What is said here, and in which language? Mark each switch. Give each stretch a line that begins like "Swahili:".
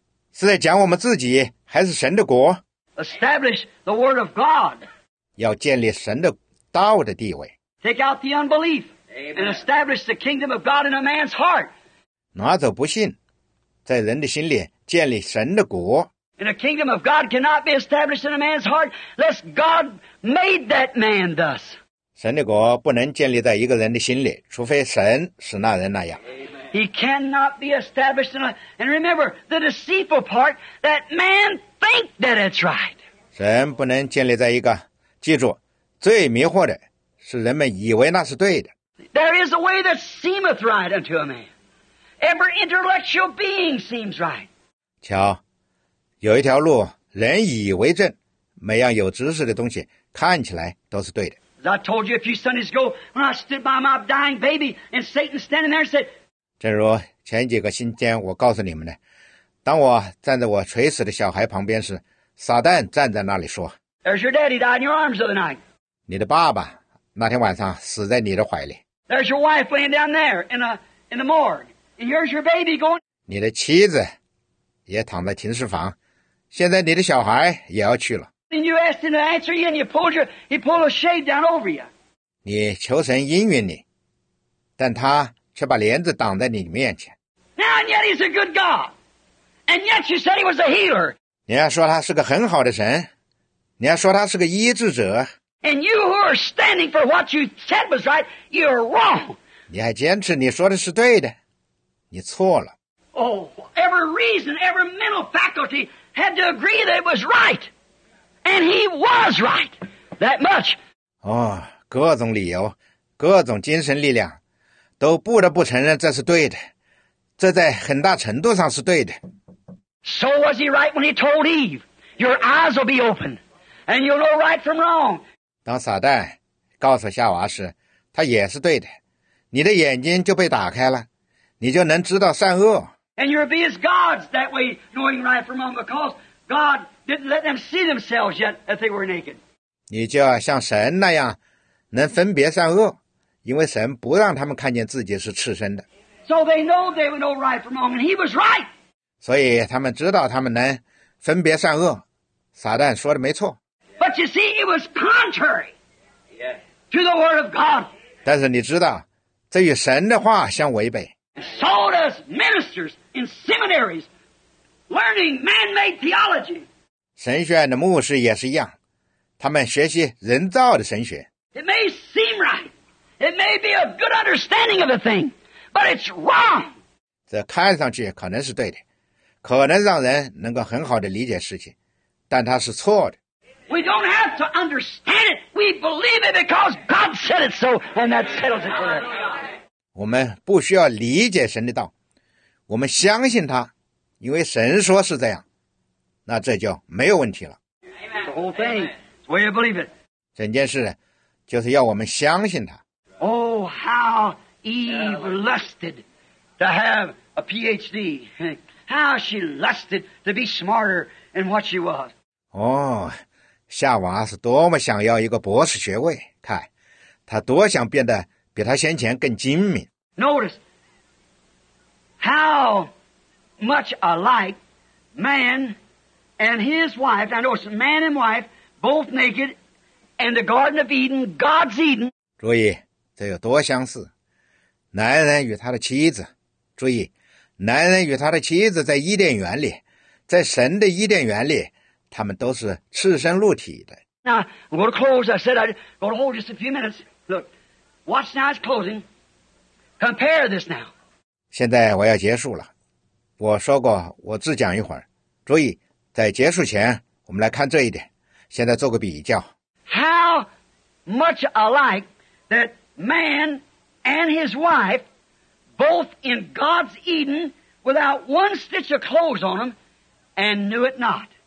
Chinese: 是在讲我们自己还是神的国？
English: Establish the word of God.
Chinese: 要建立神的道的地位。
English: Take out the unbelief and establish the kingdom of God in a man's heart.
Chinese: 拿走不信，在人的心里建立神的国。
English: And a kingdom of God cannot be established in a man's heart unless God made that man thus.
Chinese: 神的国不能建立在一个人的心里，除非神使那人那样。
English: He cannot be established in a, and remember the deceitful part that man think that it's right.
Chinese: 神不能建立在一个，记住，最迷惑的是人们以为那是对的。
English: There is a way that seemeth right unto a man. Every intellectual being seems right.
Chinese: 瞧，有一条路，人以为正，每样有知识的东西看起来都是对的。
English: As I told you a few Sundays ago, when I stood by my dying baby, and Satan standing there said,
Chinese: 正如前几个星期间我告诉你们的，当我站在我垂死的小孩旁边时，撒旦站在那里说，
English: There's your daddy died in your arms the other night.
Chinese: 你的爸爸那天晚上死在你的怀里。
English: There's your wife laying down there in the morgue. And here's your baby going.
Chinese: 你的妻子也躺在停尸房，现在你的小孩也要去了。
English: And you asked him to answer you, and he pulled a shade down over you.
Chinese: 你求神应允你，但他却把帘子挡在你面前。
English: Now and yet he's a good God, and yet you said he was a healer.
Chinese: 你要说他是个很好的神，你要说他是个医治者。
English: And you who are standing for what you said was right, you're wrong.
Chinese: 你还坚持你说的是对的，你错了。
English: Oh, every reason, every mental faculty had to agree that it was right. And he was right, that much.
Chinese: Oh, 各种理由, 各种精神力量都不得不承认这是对的，这在很大程度上是对的。
English: So was he right when he told Eve, your eyes will be open and you'll know right from wrong.
Chinese: 当撒旦告诉夏娃时，他也是对的，你的眼睛就被打开了，你就能知道善恶。
English: And you'll be as gods that way, knowing right from wrong, because God didn't let them see themselves yet as they were naked.
Chinese: 你就要像神那样能分别善恶，因为神不让他们看见自己是赤身的。
English: So they know they would know right from wrong, and he was right.
Chinese: 所以他们知道他们能分别善恶，撒旦说的没错。
English: But you see, it was contrary to the word of God.
Chinese: 但是你知道，这与神的话相违背。
English: So does ministers in seminaries learning man-made theology.
Chinese: 神学院的牧师也是一样，他们学习人造的神学。
English: It may seem right. It may be a good understanding of the thing, but it's wrong.
Chinese: 这看上去可能是对的，可能让人能够很好地理解事情，但它是错的。
English: We don't have to understand it. We believe it because God said it so, and that settles it for us.
Chinese: 我们不需要理解神的道，我们相信他，因为神说是这样，那这就没有问题了。
English: The whole thing, it's where you believe it.
Chinese: 整件事就是要我们相信他。
English: Oh, how Eve lusted to have a PhD. How she lusted to be smarter than what she was.
Chinese: 哦，夏娃是多么想要一个博士学位，看，她多想变得比她先前更精明。
English: Notice how much alike man and his wife, I notice man and wife, both naked,And the Garden of Eden, God's Eden.
Chinese: 注意，这有多相似。男人与他的妻子，注意，男人与他的妻子在伊甸园里，在神的伊甸园里，他们都是赤身露体的。
English: Now, I'm going to close. I said I'd go to hold just a few minutes. Look, watch now, it's closing. Compare this now.
Chinese: 现在我要结束了。我说过，我只讲一会儿。注意，在结束前，我们来看这一点。现在做个比较。
English: How much alike that man and his wife, both in God's Eden, without one stitch of clothes on them, and knew it not.